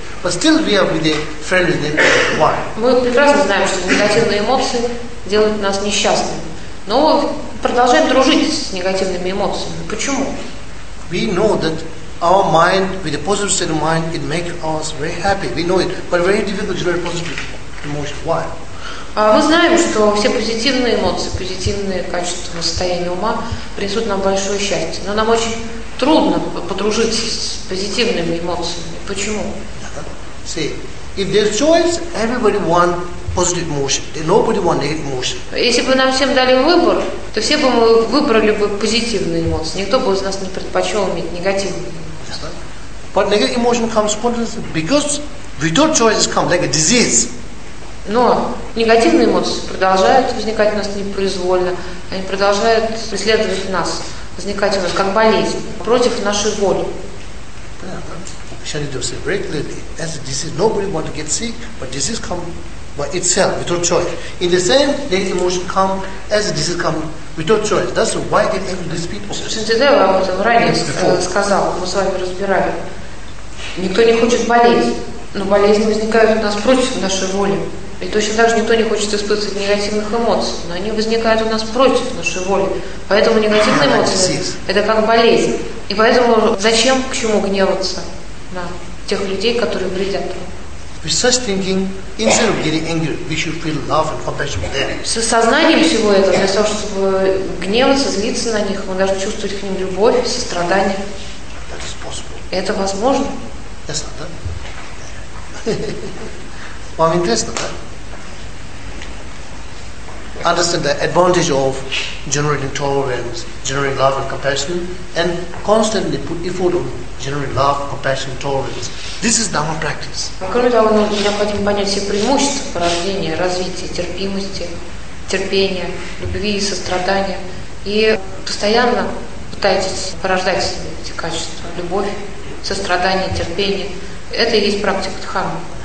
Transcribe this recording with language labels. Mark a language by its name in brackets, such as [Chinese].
[English] But still we are with a friendly negative. Why? [Russian] Мы прекрасно знаем, что негативные эмоции делают нас несчастными. Но продолжаем дружить с негативными эмоциями. Почему? [English] We know that our mind with a positive state of mind it makes us very happy. We know it. But very difficult to generate positive emotion. Why? [Russian] Мы знаем, что все позитивные эмоции, позитивные качества состояния ума принесут нам большое счастье. Но нам очень трудно подружиться с позитивными эмоциями. Почему? [English] See, if there's choice, everybody wants positive emotion. Nobody wants negative emotion. [Russian] Если бы нам всем дали выбор, то все бы мы выбрали бы позитивные эмоции. Никто бы из нас не предпочел иметь негативные эмоции. [English] But negative emotion comes spontaneously because without choice it comes like a disease. [Russian] Но негативные эмоции продолжают возникать у нас непроизвольно. Они продолжают преследовать нас, возникать у нас как болезнь против нашей воли. [English] Shanti Dev said very clearly, as a disease, nobody wants to get sick, but disease comes by itself, without choice. In the same, negative emotion comes as a disease comes without choice. That's why I get angry with these people. [Russian] Shanti Dev об этом ранее сказал, мы с вами разбирали. Никто не хочет болеть, но болезни возникают у нас против нашей воли. И точно так же никто не хочет испытывать негативных эмоций, но они возникают у нас против нашей воли. Поэтому негативные эмоции – это как болезнь. И поэтому зачем к чему гневаться? На тех людей, которые вредят. [English] With such thinking, instead of getting angry, we should feel love and compassion for them. [Russian] С осознанием всего этого, для того, чтобы гневаться, злиться на них, мы должны чувствовать к ним любовь, сострадание. [English] That is possible. [Russian] Это возможно. [English] Yes, да? [Russian] Вам интересно, да? [English] Understand the advantage of generating tolerance, generating love and compassion, and constantly put effort on generating love, compassion, tolerance. This is Dharma practice. [Russian] Кроме того, мы хотим понять все преимущества порождения, развития, терпимости, терпения, любви и сострадания. И постоянно пытайтесь порождать себе эти качества. Любовь, сострадание, терпение. Это и есть практика Дхармы.